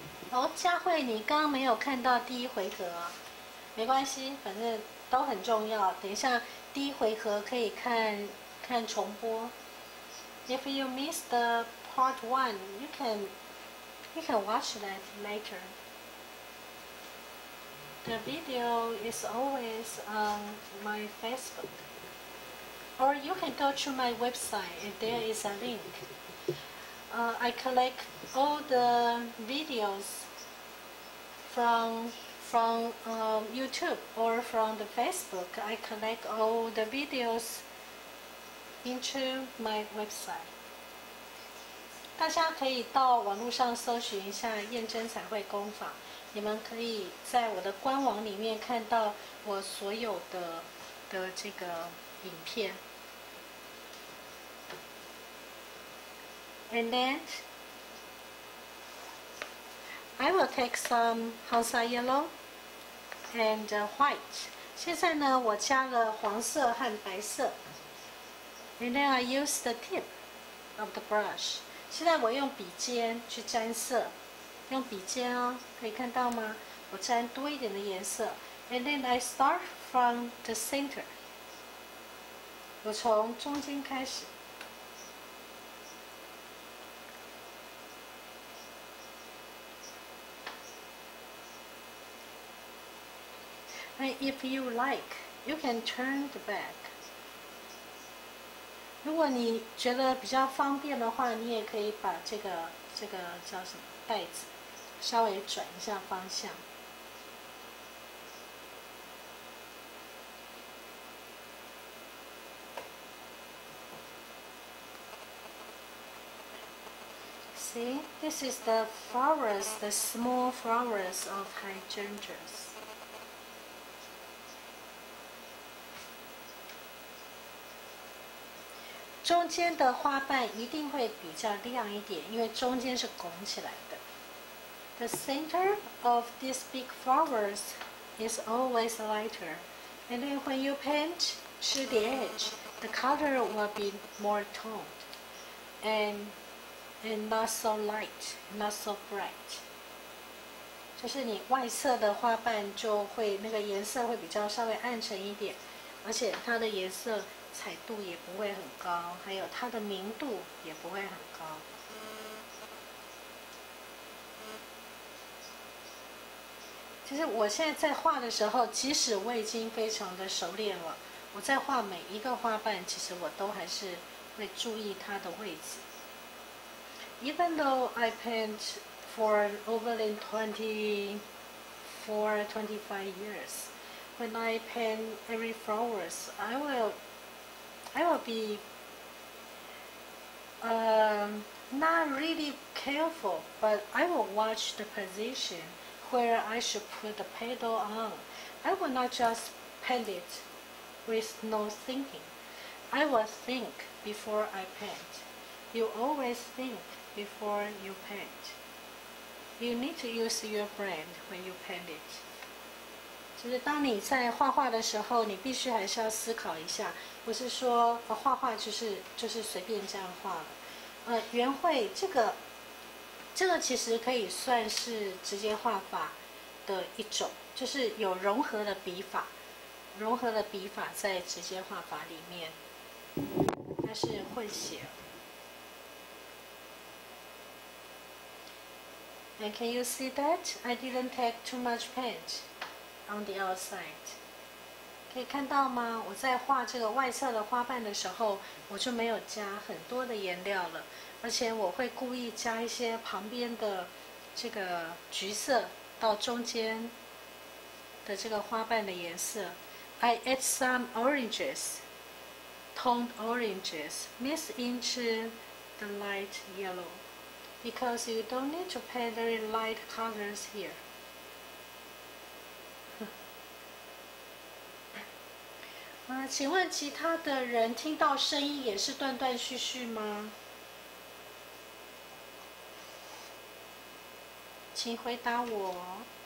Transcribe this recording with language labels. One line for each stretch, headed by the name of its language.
Chinese: 哦，佳慧，你刚刚没有看到第一回合，没关系，反正都很重要。等一下第一回合可以看看重播。
English: If you missed the part one, you can watch that later. The video is always on my Facebook. Or you can go to my website and there is a link. I collect all the videos from YouTube or from the Facebook. I collect all the videos into my website.
Chinese: 大家可以到网络上搜寻一下燕真彩绘工坊，你们可以在我的官网里面看到我所有的这个影片。
English: And then I will take some Hansa yellow and white.
Chinese: 现在呢，我加了黄色和白色。
English: And then I use the tip of the brush.
Chinese: 现在我用笔尖去沾色，用笔尖哦，可以看到吗？我沾多一点的颜色。
English: And then I start from the center.
Chinese: 我从中间开始。
English: And if you like, you can turn the back.
Chinese: 如果你觉得比较方便的话，你也可以把这个叫什么袋子稍微转一下方向。
English: See, this is the flowers, the small flowers of hydrangeas.
Chinese: 中间的花瓣一定会比较亮一点，因为中间是拱起来的。
English: The center of these big flowers is always lighter. And then when you paint to the edge, the color will be more toned and not so light, not so bright.
Chinese: 就是你外侧的花瓣就会那个颜色会比较稍微暗沉一点，而且它的颜色彩度也不会很高，还有它的明度也不会很高。其实我现在在画的时候，即使我已经非常的熟练了，我在画每一个花瓣，其实我都还是会注意它的位置。
English: Even though I paint for over 24-25 years, when I paint every flowers, I will be not really careful, but I will watch the position where I should put the petal on. I will not just paint it with no thinking. I will think before I paint. You always think before you paint. You need to use your brain when you paint it.
Chinese: 就是当你在画画的时候，你必须还是要思考一下，不是说画画就是随便这样画的。圆绘这个其实可以算是直接画法的一种，就是有融合的笔法。融合的笔法在直接画法里面，它是混血。
English: And can you see that? I didn't take too much paint on the outside.
Chinese: 可以看到吗？我在画这个外侧的花瓣的时候，我就没有加很多的颜料了，而且我会故意加一些旁边的这个橘色到中间的这个花瓣的颜色。
English: I add some oranges, toned oranges, mix into the light yellow. Because you don't need to paint very light colors here.
Chinese: Ah, 请问其他的人听到声音也是断断续续吗？请回答我。